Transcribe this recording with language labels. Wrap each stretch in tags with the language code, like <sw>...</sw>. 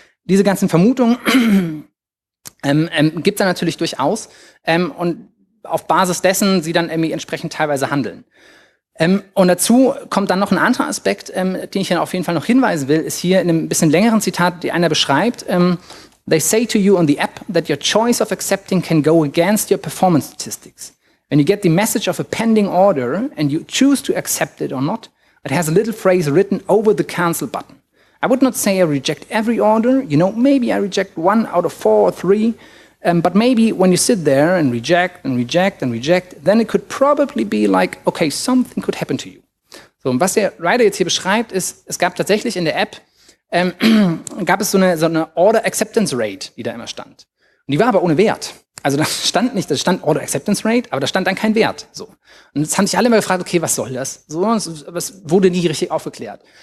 <de>Diese ganzen Vermutungen gibt es dann natürlich durchaus und auf Basis dessen sie dann irgendwie entsprechend teilweise handeln. Und dazu kommt dann noch ein anderer Aspekt, den ich dann auf jeden Fall noch hinweisen will, ist hier in einem bisschen längeren Zitat, die einer beschreibt,</de> <en>they say to you on the app that your choice of accepting can go against your performance statistics. When you get the message of a pending order and you choose to accept it or not, it has a little phrase written over the cancel button. I would not say I reject every order, you know, maybe I reject one out of four or three, but maybe when you sit there and reject and reject and reject, then it could probably be like, okay, something could happen to you.</en> <de>So, und was der Writer jetzt hier beschreibt, ist, es gab tatsächlich in der App, gab es so eine Order Acceptance Rate, die da immer stand. Und die war aber ohne Wert. Also da stand Order Acceptance Rate, aber da stand dann kein Wert. So. Und jetzt haben sich alle immer gefragt, okay, was soll das? So, es wurde nie richtig aufgeklärt.</de>